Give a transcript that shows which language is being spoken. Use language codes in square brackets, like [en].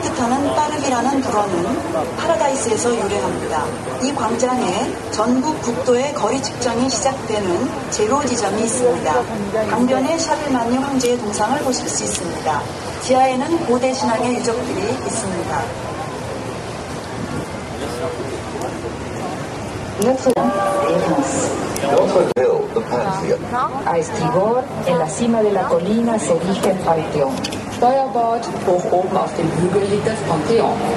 [ko] 뜻하는 파르비라는 도로는 파라다이스에서 유래합니다. 이 광장에 전국 국도의 거리 측정이 시작되는 제로 지점이 있습니다. 강변에 샤를마뉴 황제의 동상을 보실 수 있습니다. 지하에는 고대 신앙의 유적들이 있습니다. [es] A estribor, en la cima de la colina, se erige el panteón. [de] Steuerbord, hoch oben auf dem Hügel, liegt das Pantheon.